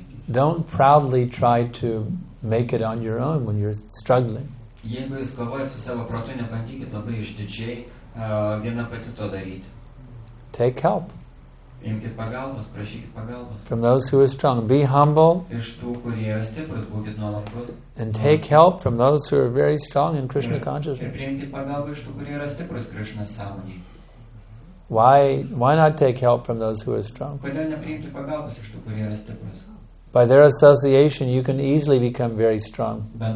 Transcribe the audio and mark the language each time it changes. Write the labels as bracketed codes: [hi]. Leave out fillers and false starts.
[en] Don't proudly try to make it on your own when you're struggling. [lt] Jeigu jūs kovojate su savo protu, nebandykite labai išdidžiai vieną patį to daryti. [en] Take help. [lt] Imkite pagalbos, prašykite pagalbos. [en] From those who are strong, be humble. [lt] Iš tų, kurie yra stiprus, būkite nuolankus. [en] And take help from those who are very strong in Krishna consciousness. [lt] Ir priimkite pagalbą iš tų, kurie yra stiprus Krishna sąmonėje. [en] Why not take help from those who are strong? [lt] Kodėl nepriimti pagalbos iš tų, kurie yra stiprus? [en] By their association, you can easily become very strong.